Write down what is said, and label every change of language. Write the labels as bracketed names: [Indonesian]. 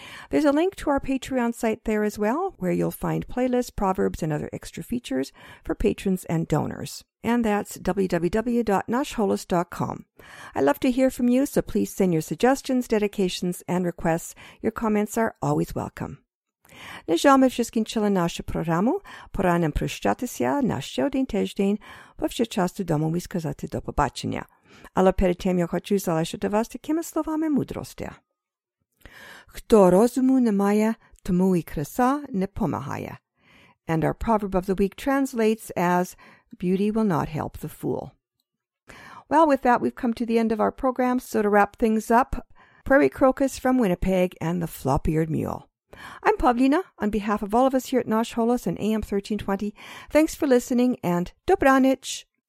[English] There's a link to our Patreon site there as well, where you'll find playlists, proverbs, and other extra features for patrons and donors. And that's www.nashholos.com. I love to hear from you, so please send your suggestions, dedications, and requests. Your comments are always welcome. [Ukrainian] На жаль, ми вже скінчили нашу програму. Пора нам прощатися на ще один тиждень, бо вже час додому ми сказати до побачення. Але перед тим я хочу залишити вас такими словами мудрості. Хто розуму не має, тому і краса не помагає. [English] And our proverb of the week translates as, beauty will not help the fool. Well, with that, we've come to the end of our program. So to wrap things up, Prairie Crocus from Winnipeg and the Flop-Eared Mule. I'm Pavlina. On behalf of all of us here at Nash Holos and AM 1320, thanks for listening and Dobranich!